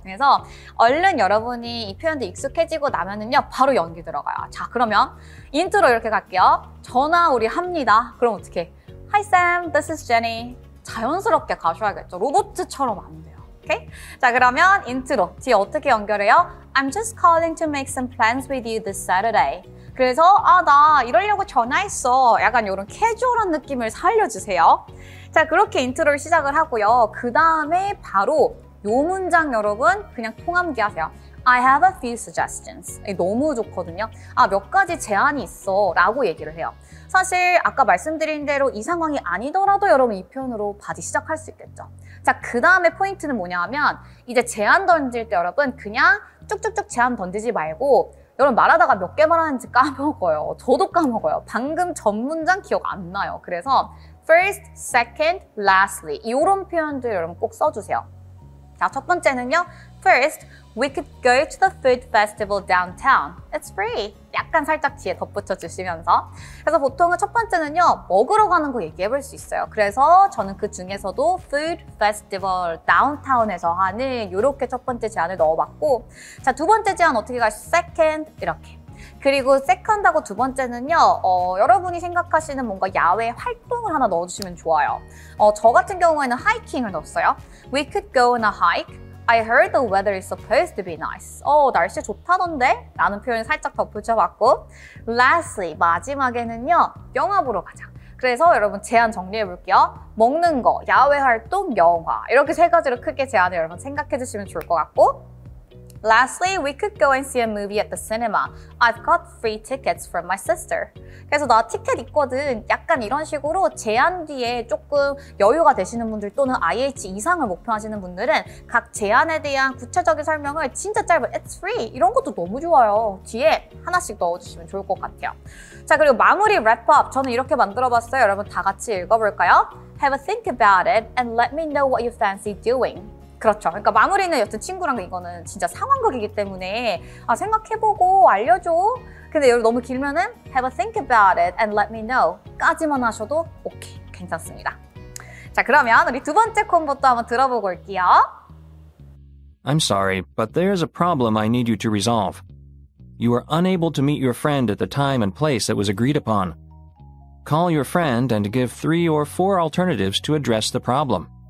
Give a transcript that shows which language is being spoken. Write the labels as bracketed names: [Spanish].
[Korean] 그래서 얼른 여러분이 이 표현도 익숙해지고 나면은요 바로 연기 들어가요. 자 그러면 인트로 이렇게 갈게요. 전화 우리 합니다. 그럼 어떻게? [English] Hi Sam, this is Jenny. [Korean] 자연스럽게 가셔야겠죠. 로봇처럼 안 돼요. 오케이? 자 그러면 인트로 뒤에 어떻게 연결해요? [English] I'm just calling to make some plans with you this Saturday. [Korean] 그래서 아 나 이러려고 전화했어. 약간 이런 캐주얼한 느낌을 살려주세요. 자 그렇게 인트로를 시작을 하고요. 그 다음에 바로 요 문장 여러분 그냥 통암기 하세요. [English] I have a few suggestions. [Korean] 너무 좋거든요. 아 몇 가지 제안이 있어 라고 얘기를 해요. 사실 아까 말씀드린 대로 이 상황이 아니더라도 여러분 이 표현으로 바디 시작할 수 있겠죠. 자, 그 다음에 포인트는 뭐냐 하면 이제 제안 던질 때 여러분 그냥 쭉쭉쭉 제안 던지지 말고 여러분 말하다가 몇 개 말하는지 까먹어요. 저도 까먹어요. 방금 전 문장 기억 안 나요. 그래서 first, second, lastly 이런 표현들 여러분 꼭 써주세요. 자, 첫 번째는요. [English] First, we could go to the food festival downtown. It's free. [Korean] 약간 살짝 뒤에 덧붙여 주시면서. 그래서 보통은 첫 번째는요, 먹으러 가는 거 얘기해 볼 수 있어요. 그래서 저는 그 중에서도 food festival downtown에서 하는 이렇게 첫 번째 제안을 넣어봤고, 자, 두 번째 제안 어떻게 갈 second, 이렇게. 그리고 second하고 두 번째는요, 여러분이 생각하시는 뭔가 야외 활동을 하나 넣어주시면 좋아요. 저 같은 경우에는 hiking을 넣었어요. [English] We could go on a hike. I heard the weather is supposed to be nice. [Korean] 날씨 좋다던데? 라는 표현을 살짝 덧붙여봤고 lastly, 마지막에는요. 영화 보러 가자. 그래서 여러분 제안 정리해볼게요. 먹는 거, 야외 활동, 영화 이렇게 세 가지로 크게 제안을 여러분 생각해주시면 좋을 것 같고 [English] lastly, we could go and see a movie at the cinema. I've got free tickets from my sister. [Korean] 그래서 나 티켓 있거든. 약간 이런 식으로 제안 뒤에 조금 여유가 되시는 분들 또는 IH 이상을 목표하시는 분들은 각 제안에 대한 구체적인 설명을 진짜 짧은 [English] It's free! [Korean] 이런 것도 너무 좋아요. 뒤에 하나씩 넣어주시면 좋을 것 같아요. 자, 그리고 마무리 랩업. 저는 이렇게 만들어봤어요. 여러분 다 같이 읽어볼까요? [English] Have a think about it and let me know what you fancy doing. [Korean] 그렇죠. 그러니까 마무리는 여튼 친구랑 이거는 진짜 상황극이기 때문에 아 생각해보고 알려줘. 근데 여러분 너무 길면은 [English] Have a think about it and let me know [Korean] 까지만 하셔도 오케이. 괜찮습니다. 자 그러면 우리 두 번째 콤보도 한번 들어보고 올게요. [English] I'm sorry, but there is a problem I need you to resolve. You are unable to meet your friend at the time and place that was agreed upon. Call your friend and give three or four alternatives to address the problem.